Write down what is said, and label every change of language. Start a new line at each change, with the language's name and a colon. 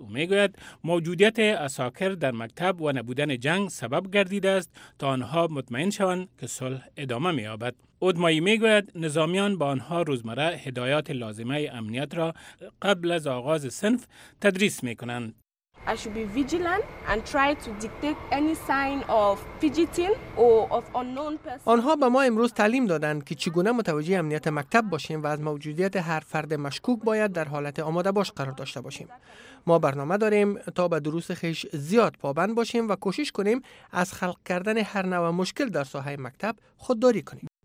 Persian: او می گوید موجودیت اساکر در مکتب و نبودن جنگ سبب گردیده است تا آنها مطمئن شوند که صلح ادامه می یابد. ادمایی می گوید نظامیان با آنها روزمره هدایات لازمه امنیت را قبل از آغاز صنف تدریس می کنند.
English: I should be vigilant and try to detect any sign of fidgeting or of unknown person.
Persian: آنها به ما امروز تعلیم دادند که چگونه متوجه امنیت مکتب باشیم و از موجودیت هر فرد مشکوک باید در حالت آماده باش قرار داشته باشیم. ما برنامه داریم تا به دروس خیش زیاد پابند باشیم و کوشش کنیم از خلق کردن هر نوع مشکل در ساحه مکتب خودداری کنیم.